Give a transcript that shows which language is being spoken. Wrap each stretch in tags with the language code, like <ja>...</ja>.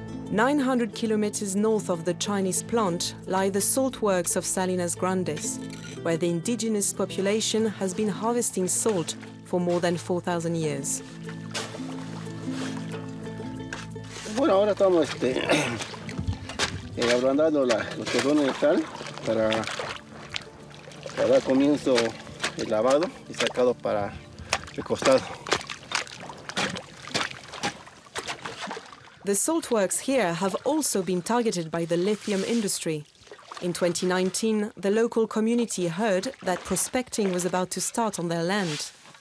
<en>900 kilometers north of the Chinese plant lie the salt works of Salinas Grandes, where the indigenous population has been harvesting salt for more than 4,000 years.</en> <es>Bueno, ahora estamos ablandando los terrones de sal para dar comienzo el lavado y sacado para el costado.</es> <en>The salt works here have also been targeted by the lithium industry. In 2019, the local community heard that prospecting was about to start on their land.</en>